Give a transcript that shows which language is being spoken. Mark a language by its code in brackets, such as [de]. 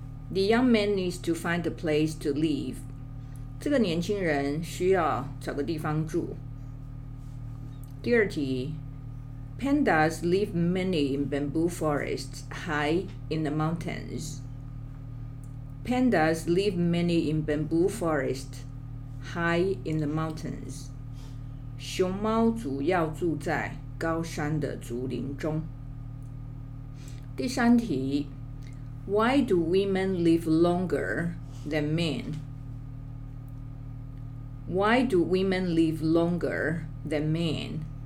[en] The young man needs to find a place to live. [zh] 这个年轻人需要找个地方住。第二题 [en] Pandas live many in bamboo forests high in the mountains. Pandas live many in bamboo forests high in the mountains. [zh] 熊猫主要住在高山的竹林中。第三题 [en] Why do women live longer than men? Why do women live longer than men?